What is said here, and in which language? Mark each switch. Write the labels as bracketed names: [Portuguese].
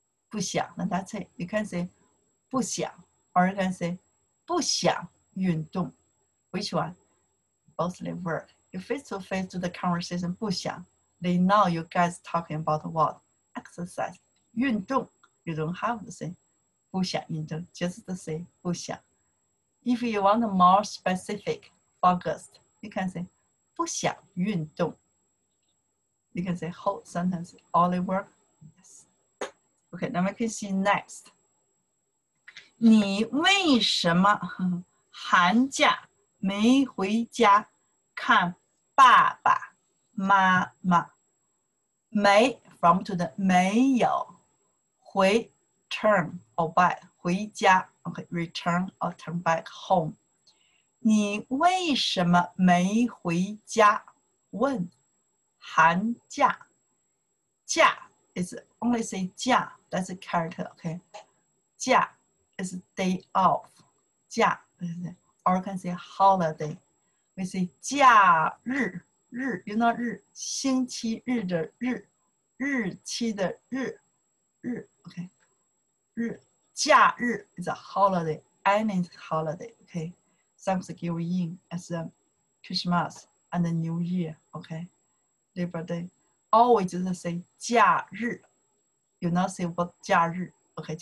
[Chinese] 不想, [English] and that's it, you can say 不想, or you can say [Chinese] 不想运动, [English] which one, both they work, you face to face to the conversation 不想, they know you guys talking about what, exercise, 运动, you don't have the same, 不想运动, just the same, 不想. If you want a more specific, focused, you can say, [Chinese] 不想运动. [English] You can say whole sentence, all it work, yes. Okay, now we can see next. [Chinese] 你为什么寒假没回家看爸爸妈妈? [English] 没, from to the, [Chinese] 没有, [English] 回, turn or back, [Chinese] 回家, [English] okay, return or turn back home. [Chinese] 你为什么没回家? [English] 问, [Chinese] 寒假, [English] 假, is only say 假, that's a character, okay. [Chinese] 假, [English] is day off, 假, or can say holiday. We say [Chinese] 假日, [English] 日, you know 日, [Chinese] 星期日的日, 日期的日, [English] 日, okay. 日, [Chinese] 假日 [English] is a holiday, any holiday, okay? Thanksgiving as a Christmas and the New Year, okay? Labor Day, always just say [Chinese] 假日, [English] you not say what 假日, okay?